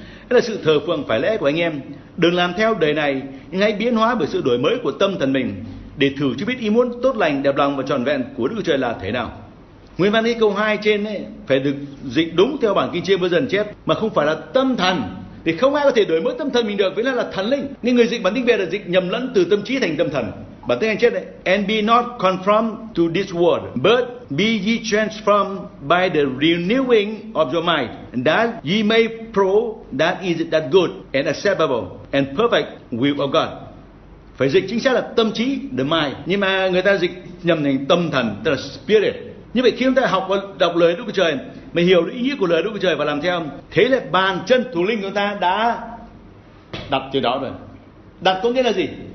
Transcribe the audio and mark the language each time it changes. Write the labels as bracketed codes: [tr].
[vi] Đó là sự thờ phượng phải lễ của anh em. Đừng làm theo đời này, nhưng hãy biến hóa bởi sự đổi mới của tâm thần mình để thử cho biết ý muốn tốt lành, đẹp lòng và trọn vẹn của Đức Chúa Trời là thế nào. Nguyên văn cái câu 2 trên ấy phải được dịch đúng theo bản kinh James Version chép, mà không phải là tâm thần, thì không ai có thể đổi mới tâm thần mình được, với là thần linh. Nên người dịch bản tiếng Việt là dịch nhầm lẫn từ tâm trí thành tâm thần. Bản tiếng Anh chép đấy: [en] and be not conformed to this world, but be ye transformed by the renewing of your mind, that ye may prove that is that good and acceptable and perfect will of God. [vi] Phải dịch chính xác là tâm trí, the mind, nhưng mà người ta dịch nhầm thành tâm thần, tức là spirit. Như vậy khi chúng ta học và đọc lời Đức Chúa Trời, mình hiểu được ý nghĩa của lời Đức Chúa Trời và làm theo, thế là bàn chân thủ linh của ta đã đặt từ đó rồi. Đặt có nghĩa là gì?